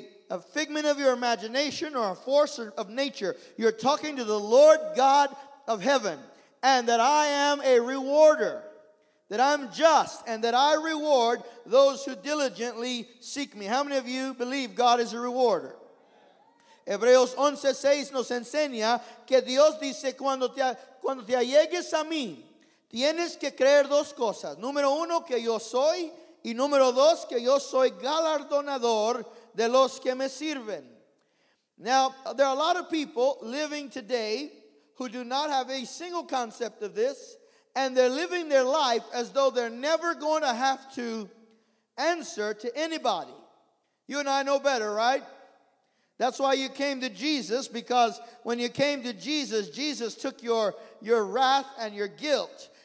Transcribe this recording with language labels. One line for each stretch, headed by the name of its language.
English: a figment of your imagination or a force of nature. You're talking to the Lord God of heaven, and that I am a rewarder, that I'm just, and that I reward those who diligently seek me. How many of you believe God is a rewarder?
Spanish: Hebreos 11:6 nos enseña que Dios dice, cuando te allegues a mí, tienes que creer dos cosas. Número uno, que yo soy, y número dos, que yo soy galardonador de los que me sirven.
English: Now, there are a lot of people living today who do not have a single concept of this, and they're living their life as though they're never going to have to answer to anybody. You and I know better, right? That's why you came to Jesus, because when you came to Jesus, Jesus took your wrath and your guilt.